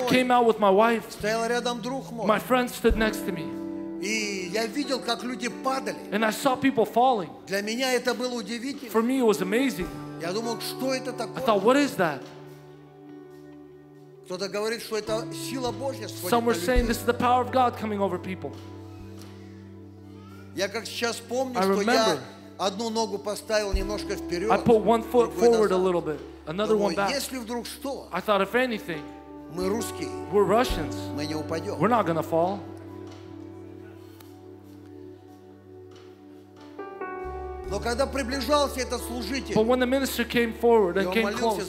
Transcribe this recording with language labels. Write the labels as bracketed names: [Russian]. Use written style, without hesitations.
[English] I came out with my wife. [Russian] Стоял рядом друг мой. [English] My friend stood next to me. [Russian] И я видел, как люди падали. [English] And I saw people falling. [Russian] Для меня это было удивительно. [English] For me, it was amazing. [Russian] Я думал, что это такое? [English] I thought, what is that? [Russian] Кто-то говорит, что это сила Божья. [English] Some were saying this is the power of God coming over people. [Russian] Я как сейчас помню, что я одну ногу поставил немножко вперед. [English] I put one foot forward a little bit, another one back. [Russian] Если вдруг что? [English] I thought, if anything, [Russian] мы русские. [English] We're Russians. [Russian] Мы не упадем. [English] We're not gonna fall. [Russian] Но когда приближался этот служитель, [English] but when the minister came forward and came close,